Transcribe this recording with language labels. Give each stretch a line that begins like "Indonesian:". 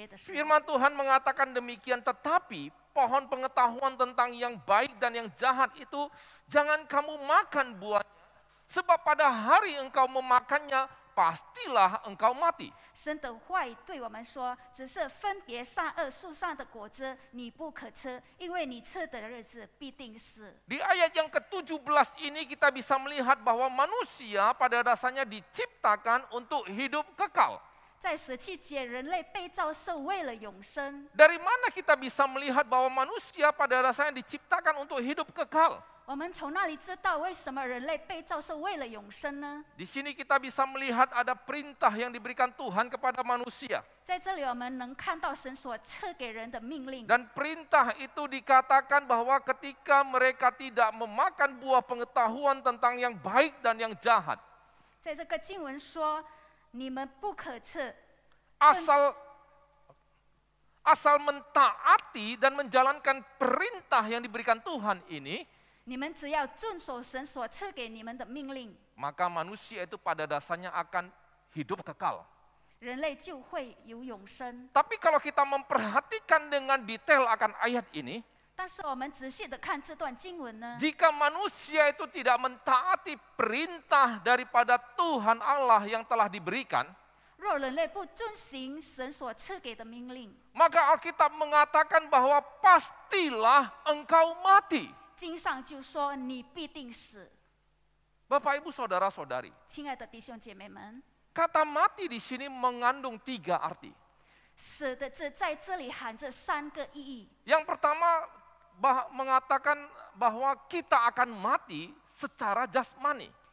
Indonesian: Firman Tuhan mengatakan demikian, tetapi pohon pengetahuan tentang yang baik dan yang jahat itu jangan kamu makan buahnya, sebab pada hari engkau memakannya pastilah engkau mati.
Chinese: 神的话对我们说，只是分别善恶树上的果子，你不可吃，因为你吃的日子必定死。
Indonesian: Di ayat yang ke-17 ini kita bisa melihat bahwa manusia pada dasarnya diciptakan untuk hidup kekal.
Chinese: 在17节，人类被造是为了永生。
Indonesian: Dari mana kita bisa melihat bahwa manusia pada dasarnya diciptakan untuk hidup kekal?
Chinese: 我们从那里知道为什么人类被造是为了永生呢?
Indonesian: Di sini kita bisa melihat ada perintah yang diberikan Tuhan kepada manusia.
Chinese: 在这里我们能看到神所赐给人的命令。
Indonesian: Dan perintah itu dikatakan bahwa ketika mereka tidak memakan buah pengetahuan tentang yang baik dan yang jahat.
Chinese: 在这个经文说，你们不可吃。
Indonesian: Asal mentaati dan menjalankan perintah yang diberikan Tuhan ini.
Chinese: 你们只要遵守神所赐给你们的命令,
Indonesian: maka manusia itu pada dasarnya akan hidup kekal.
Chinese: 人类就会有永生.
Indonesian: Tapi kalau kita memperhatikan dengan detail akan ayat ini,
Chinese: 但是我们仔细地看这段经文呢,
Indonesian: jika manusia itu tidak mentaati perintah daripada Tuhan Allah yang telah diberikan,
Chinese: 若人类不遵行神所赐给的命令,
Indonesian: maka Alkitab mengatakan bahwa pastilah engkau mati.
Chinese: 经上就说你必定死.
Indonesian: Bapak, Ibu, Saudara-saudari,
Chinese: 亲爱的弟兄姐妹们,
Indonesian: kata mati di sini mengandung tiga arti.
Chinese: 死的字在这里含着三个意义.
Indonesian: Yang pertama mengatakan bahwa kita akan mati secara jasmani.